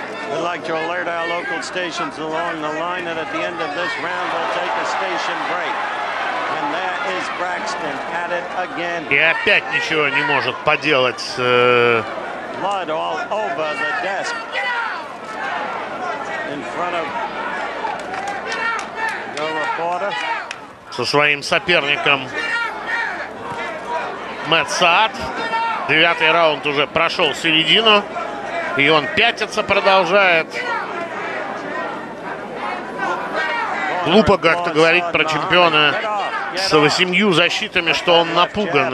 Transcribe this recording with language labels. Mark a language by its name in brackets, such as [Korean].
[English] We'd like to alert our local stations along the line that at the end of this round we'll take a station break. And there is Braxton at it again. [Russian] И опять ничего не может поделать. [English] Blood all over the desk. In front of the reporter. [Russian] Со своим соперником Мэтт Саад. Девятый раунд уже прошел середину. И он пятится, продолжает. Глупо как-то говорить про чемпиона с 8 защитами, что он напуган.